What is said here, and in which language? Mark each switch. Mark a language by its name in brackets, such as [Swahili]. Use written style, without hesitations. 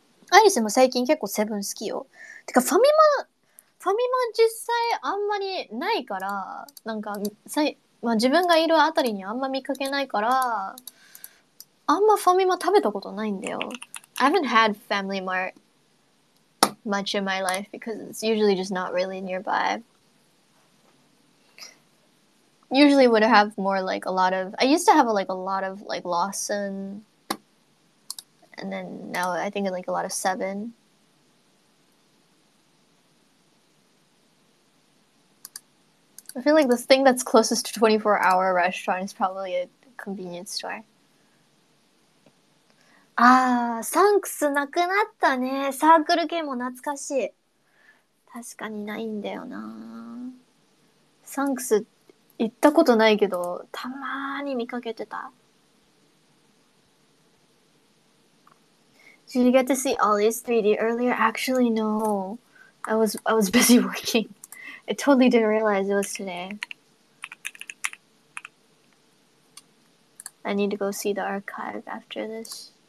[Japanese] アリスも最近結構セブン好きよ。てかファミマ実際あんまりないから、なんか、まあ、自分がいるあたりにあんま見かけないから、あんまファミマ食べたことないんだよ。 [English] I haven't had Family Mart much in my life because it's usually just not really nearby. Usually would have more like a lot of, I used to have like a lot of like Lawson and then now I think like a lot of Seven. I feel like the thing that's closest to 24-hour restaurant is probably a convenience store. [Japanese] Ah, サンクスなくなったね。サークル系も懐かしい。確かにないんだよな。サンクス行ったことないけど、たまーに見かけてた。 [English] Did you get to see Ollie's 3D earlier? Actually, no. I was busy working. I totally didn't realize it was today. I need to go see the archive after this.